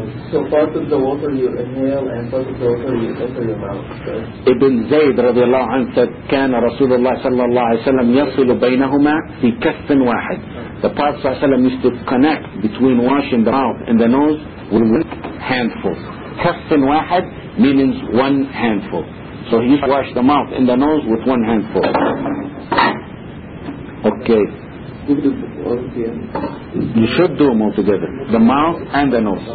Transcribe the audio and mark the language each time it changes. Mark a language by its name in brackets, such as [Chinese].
[English] So part of the water you inhale and part of the water you enter your mouth. Ibn Zayd radiallahu anhu said, [Arabic] كان رسول الله صلى الله عليه وسلم يصل بينهما في كف واحد. [English] The Prophet صلى الله عليه وسلم used to connect between washing the mouth and the nose with one handful. [Arabic] كف واحد [English] means one handful. So he used to wash the mouth and the nose with one handful. Okay. You should do them all together, the mouth and the nose.